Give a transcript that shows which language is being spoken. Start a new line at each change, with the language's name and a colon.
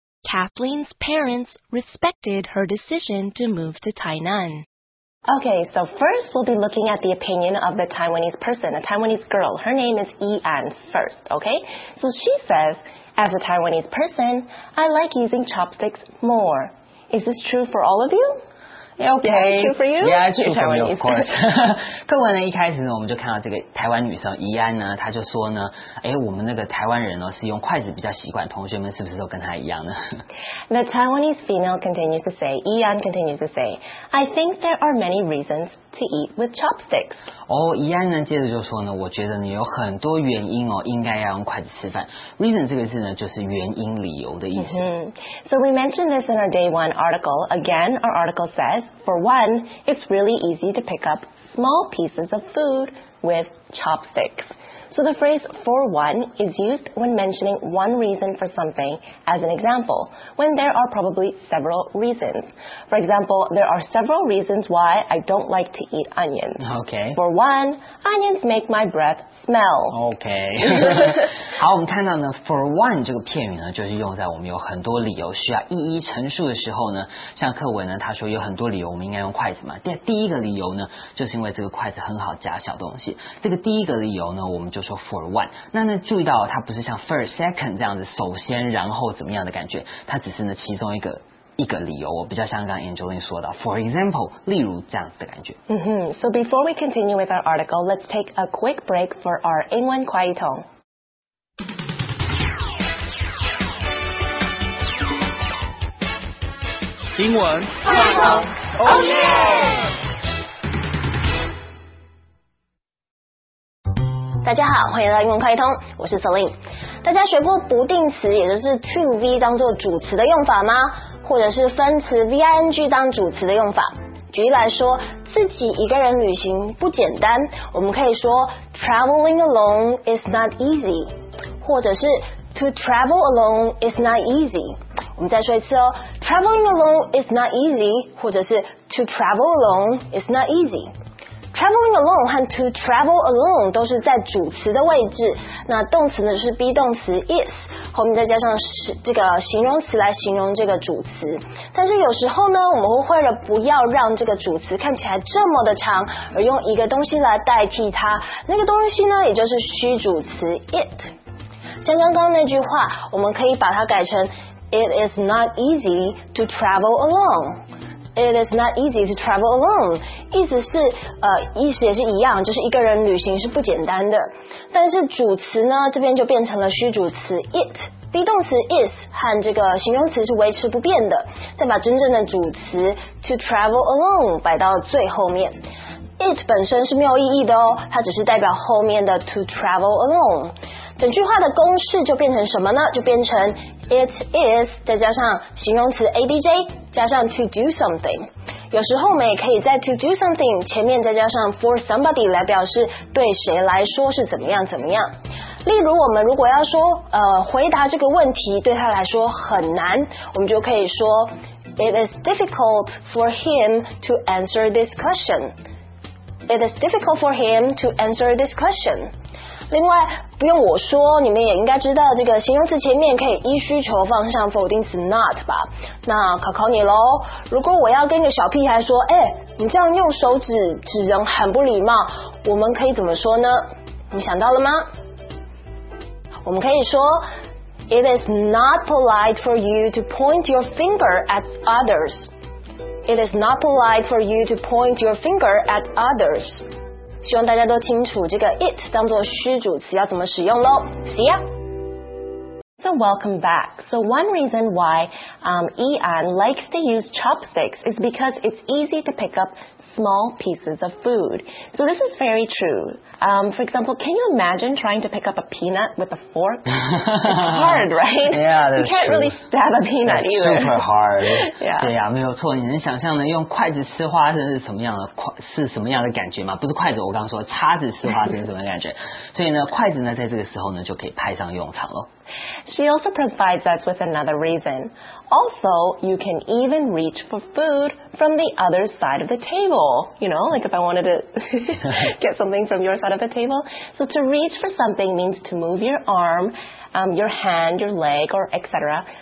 English: Kathleen's parents respected her decision to move to Tainan. Okay, so first we'll be looking at the opinion of the Taiwanese person, a Taiwanese girl. Her name is Yi An first, okay? So she says, as a Taiwanese person, I like using chopsticks more. Is this true for all of you? Okay. Yeah, true for you. Yeah, true for me, of course.
Chinese: 各位呢，一开始呢，我们就看到这个台湾女生宜安呢，她就说呢，哎，我们那个台湾人呢是用筷子比较习惯，同学们是不是都跟她一样呢
English: ？The Taiwanese female continues to say, Yi An continues to say, I think there are many reasons to eat with chopsticks.
Chinese: 哦，宜安呢接着就说呢，我觉得你有很多原因哦，应该要用筷子吃饭。 Reason 这个字呢，就是原因、理由的意思。
English: So we mentioned this in our day one article. Again, our article says. For one, it's really easy to pick up small pieces of food with chopsticks. So the phrase for one is used when mentioning one reason for something as an example, when there are probably several reasons. For example, there are several reasons why I don't like to eat onions. Okay. For one, onions make my breath smell. Okay.
Chinese: 好，我们看到呢 ,for one 这个片语呢就是用在我们有很多理由需要一一陈述的时候呢，像课文呢他说有很多理由我们应该用筷子嘛。第一个理由呢就是因为这个筷子很好夹小东西。这个第一个理由呢我们就说 for one。那注意到它不是像 first, second 这样子首先然后怎么样的感觉，它只是呢其中一个理由，我比较像刚刚 Angeline 说的 for example, 例如这样的感觉。
English: Mm-hmm. So before we continue with our article, let's take a quick break for our 英文快译通。
Chinese: 英文快译通
English: ，Oh yeah！
Chinese: 大家好，欢迎来到英文快译通，我是 Celine。大家学过不定词，也就是 to v 当作主词的用法吗？或者是分词 ving 当主词的用法？举例来说，自己一个人旅行不简单，我们可以说
English: traveling alone is not easy，
Chinese: 或者是
English: to travel alone is not easy。
Chinese: 我们再说一次哦 ，
English: traveling alone is not easy，
Chinese: 或者是
English: to travel alone is not easy。
Chinese: Traveling alone 和 to travel alone 都是在主词的位置，那动词呢是 be 动词 is， 后面再加上这个形容词来形容这个主词。但是有时候呢，我们会为了不要让这个主词看起来这么的长，而用一个东西来代替它，那个东西呢，也就是虚主词 it。像刚刚那句话，我们可以把它改成
English: It is not easy to travel alone。 It is not easy to travel alone，
Chinese: 意思是意思也是一样，就是一个人旅行是不简单的。但是主词呢，这边就变成了虚主词 it， be 动词 is 和这个形容词是维持不变的，再把真正的主词 to travel alone 摆到最后面。 It 本身是没有意义的哦，它只是代表后面的 to travel alone。整句话的公式就变成什么呢？就变成 it is 再加上形容词 abj 加上 to do something。有时候我们也可以在 to do something 前面再加上 for somebody 来表示对谁来说是怎么样怎么样。例如我们如果要说回答这个问题对他来说很难，我们就可以说
English: it is difficult for him to answer this question。 It is difficult for him to answer this question。
Chinese: 另外，不用我说，你们也应该知道，这个形容词前面可以依需求放上否定词 not 吧？那考考你喽，如果我要跟一个小屁孩说，哎，你这样用手指指人很不礼貌，我们可以怎么说呢？你想到了吗？我们可以说
English: ，It is not polite for you to point your finger at others。 It is not polite for you to point your finger at others。
Chinese: 希望大家都清楚这个 it 当作虚主词要怎么使用咯。
English: See ya! So welcome back. So one reason why Ian likes to use chopsticks is because it's easy to pick up small pieces of food. So this is very true. For example, can you imagine trying to pick up a peanut with a fork? It's hard, right? Yeah, that's true. You can't really stab a peanut either. That's super hard. Yeah.
Chinese: 对呀，没有错。你能想象呢，用筷子吃花生是什么样的感觉吗？不是筷子，我刚刚说叉子吃花生是什么感觉？所以呢，筷子呢，在这个时候呢，就可以派上用场了。
English: She also provides us with another reason. Also, you can even reach for food from the other side of the table. You know, like if I wanted to get something from your side of the table. So to reach for something means to move your arm, your hand, your leg, or etc.